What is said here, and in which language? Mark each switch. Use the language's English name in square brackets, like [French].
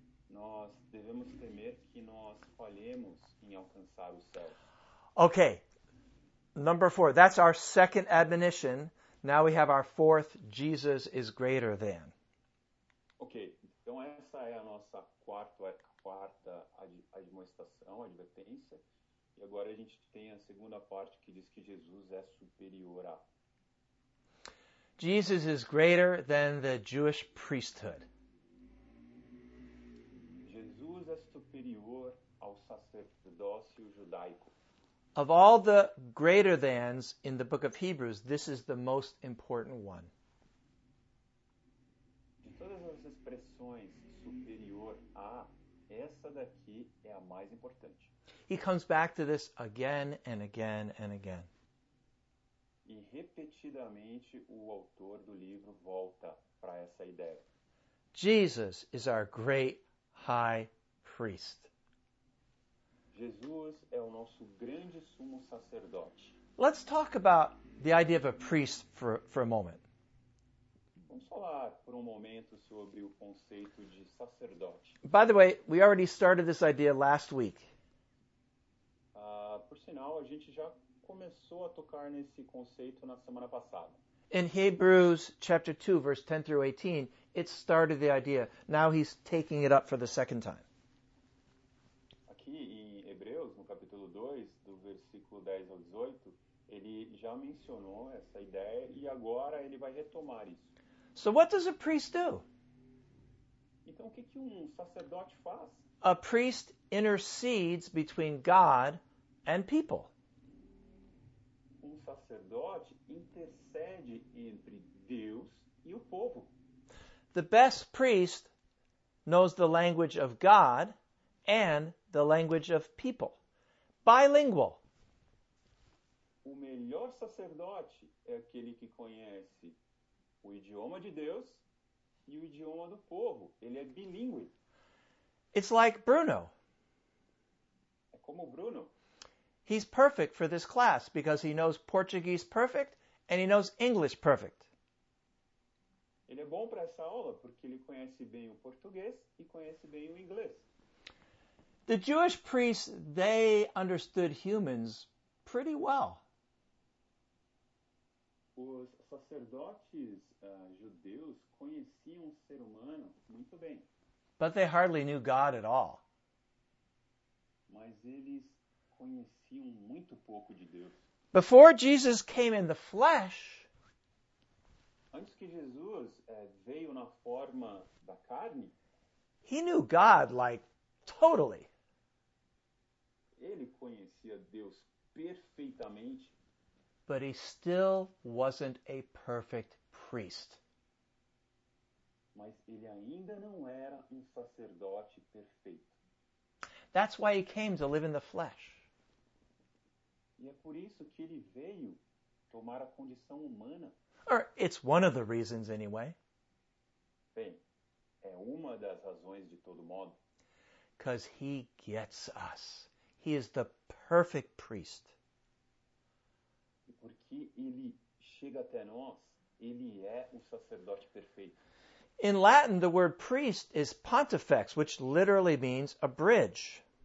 [Portuguese] Nós devemos temer que nós falhemos em alcançar o céu. [English] Okay, number 4. That's our second admonition. Now we have our fourth, Jesus is greater than. [Portuguese] Okay, então essa é a nossa quarta admoestação, advertência. E agora a gente tem a segunda parte que diz que Jesus é superior a. [English] Jesus is greater than the Jewish priesthood. [Portuguese] Jesus é superior ao sacerdócio judaico. [English] Of all the greater thans in the book of Hebrews, this is the most important one. [Portuguese] De todas as expressões superior a, é Essa daqui é a mais importante. [English] He comes back to this again and again and again. [Portuguese] E repetidamente o autor do livro volta para essa ideia. [English] Jesus is our great high priest. [Portuguese] Jesus é o nosso grande sumo sacerdote. [English] Let's talk about the idea of a priest for a moment. [Portuguese] Vamos falar por um momento sobre o conceito de sacerdote. [English] By the way, we already started this idea last week. [Portuguese] Por sinal, a gente já começou a tocar nesse conceito na semana passada. [English] In Hebrews chapter 2, verse 10 through 18, it started the idea. Now he's taking it up for the second time. [Portuguese] Aqui em Hebreus, no capítulo 2, do versículo 10 ao 18, ele já mencionou essa ideia e agora ele vai retomar isso. [English] So what does a priest do? [Portuguese] Então, o que que um sacerdote faz? [English] A priest intercedes between God and people. [Portuguese] Um sacerdote intercede entre Deus e o povo. [English] The best priest knows the language of God and the language of people. Bilingual. [Portuguese] O melhor sacerdote é aquele que conhece o idioma de Deus e o idioma do povo. Ele é bilíngue. [English] It's like Bruno. [Portuguese] É como Bruno. [English] He's perfect for this class because he knows Portuguese perfect and he knows English perfect. [Portuguese] Ele é bom para essa aula porque ele conhece bem o português e conhece bem o inglês. [English] The Jewish priests, they understood humans pretty well. [Portuguese] Os sacerdotes judeus conheciam o ser humano muito bem. [English] But they hardly knew God at all. [Portuguese] Mas eles conheciam muito pouco de Deus. [English] Before Jesus came in the flesh, [Portuguese] antes que Jesus veio na forma da carne, [English] he knew God like totally. [Portuguese] Ele conhecia Deus perfeitamente. [English] But he still wasn't a perfect priest. [Portuguese] Mas ele ainda não era sacerdote perfeito. [English] That's why he came to live in the flesh. [Portuguese] E é por isso que ele veio tomar a condição humana. [English] Or it's one of the reasons anyway. [Portuguese] Bem, é uma das razões de todo modo. [English] Because he gets us. He is the perfect priest. [Portuguese] Que ele chega até nós, ele é o sacerdote perfeito. [English] In Latin, the word priest is pontifex, which literally means a bridge.